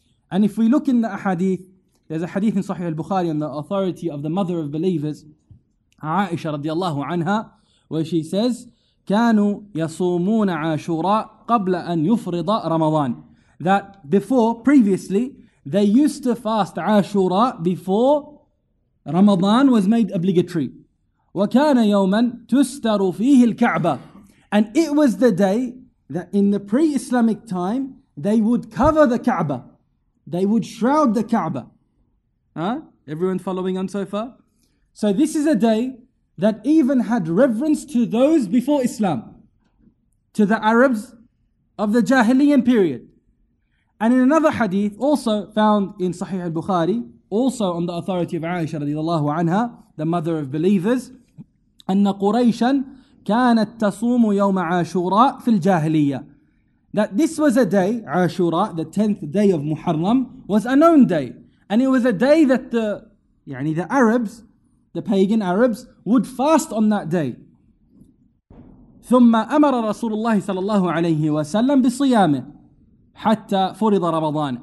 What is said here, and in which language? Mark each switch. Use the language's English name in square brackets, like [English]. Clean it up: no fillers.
[English] And if we look in the ahadith, there's a hadith in Sahih al-Bukhari on the authority of the mother of believers, Aisha radiallahu anha, where she says, [Arabic] كانوا يصومون عاشوراء قبل أن يفرض رمضان. [English] That before, previously, they used to fast عاشوراء before Ramadan was made obligatory. [Arabic] وكان يوما تستر فيه الكعبة. [English] And it was the day that in the pre-Islamic time, they would cover the Kaaba. They would shroud the Kaaba. Huh? Everyone following on so far? So this is a day that even had reverence to those before Islam, to the Arabs of the Jahiliyyah period. And in another hadith, also found in Sahih al-Bukhari, also on the authority of Aisha radiallahu anha, the mother of believers, [Arabic] أن قريشا كانت تصوم يوم عاشوراء في الجاهلية. [English] That this was a day, عاشوراء, the 10th day of Muharram, was a known day. And it was a day that the Arabs the pagan Arabs, would fast on that day. [Arabic] ثم أمر رسول الله صلى الله عليه وسلم بصيامه حتى فرض رمضان.